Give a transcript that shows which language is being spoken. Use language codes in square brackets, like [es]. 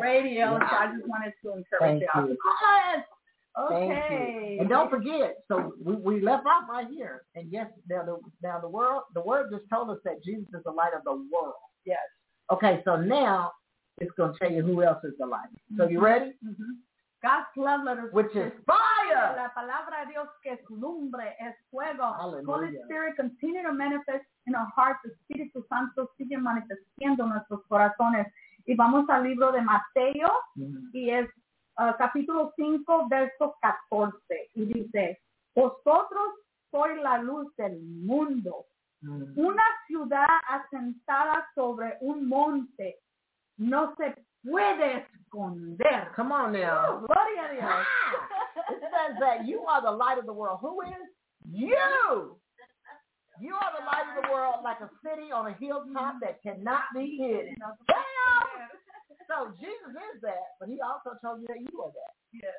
[en] Wow. So I just wanted to encourage y'all to call us. Okay. Thank you. And don't forget, so we left off right here. And yes, now the word just told us that Jesus is the light of the world. Yes. Okay, so now it's going to tell you who else is the light. So you ready? Mm-hmm. God's love letter. Which is fire. [es] La palabra de Dios que es lumbre, es fuego. [en] Hallelujah. Holy Spirit continue to manifest in our hearts. [es] The Espíritu Santo sigue manifestando nuestros corazones. Y vamos al libro de Mateo. Mm-hmm. Y es capítulo 5, verso 14, y dice, vosotros sois la luz del mundo. Mm-hmm. Una ciudad asentada sobre un monte no se puede esconder. [en] Come on now. [es] Oh, gloria a Dios. [en] It says that you are the light of the world. Who is? You. You are the light of the world, like a city on a hilltop that cannot be hidden. Damn! So Jesus is that, but he also told you that you are that. Yes.